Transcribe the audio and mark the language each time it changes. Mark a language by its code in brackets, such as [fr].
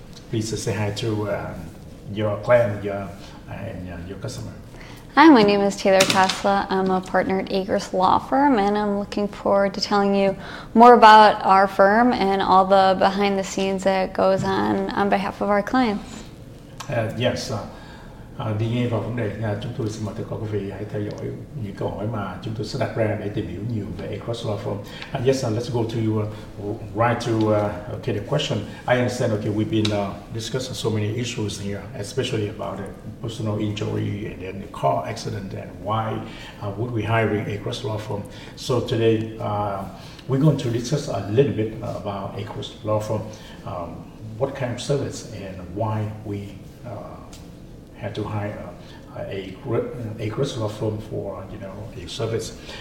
[en] Please say hi to your client and your customer. Hi, my name is Taylor Kosla. I'm a partner at Agers Law Firm, and I'm looking forward to telling you more about our firm and all the behind the scenes that goes on behalf of our clients. Yes. [vi] Đi nghe vào vấn đề, chúng tôi xin mời tất cả quý vị hãy theo dõi những câu hỏi mà chúng tôi sẽ đặt ra để tìm hiểu nhiều về Agers Law Firm. [en] Let's go to the question. I understand, we've been discussing so many issues here, especially about personal injury and then the car accident and why would we hire Agers Law Firm. So today, we're going to discuss a little bit about Agers Law Firm, what kind of service and why we had to hire a law firm for a service.